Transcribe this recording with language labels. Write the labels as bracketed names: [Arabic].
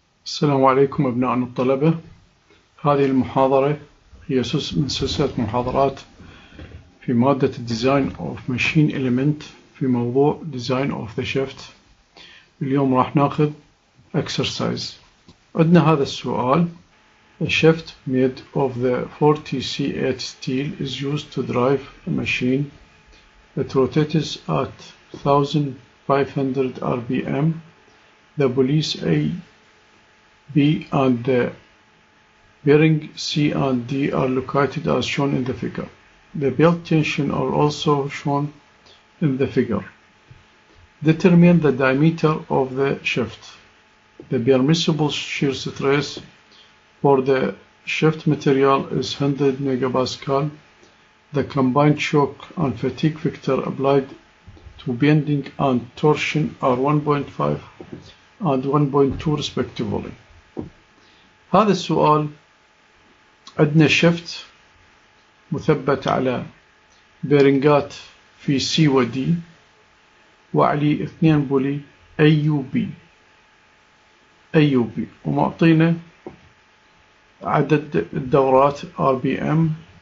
[Arabic] السلام عليكم أبناء الطلبة. هذه المحاضرة هي من سلسلة محاضرات في مادة [English] Design of Machine Element [Arabic] في موضوع [English] Design of the Shaft. [Arabic] اليوم راح ناخذ Exercise. عندنا هذا السؤال: [English] A shaft made of the 40C8 steel is used to drive a machine that rotates at 1500 RPM. The bullies A, B and the bearing C and D are located as shown in the figure. The belt tension are also shown in the figure. Determine the diameter of the shaft. The permissible shear stress for the shaft material is 100 MPa. The combined shock and fatigue factor applied to bending and torsion are 1.5 and 1.2 respectively. [Arabic] هذا السؤال: عندنا شفت مثبت على بيرنجات في سي ودي وعليه اثنين بولي اي يو بي ومعطينا عدد الدورات ار بي ام،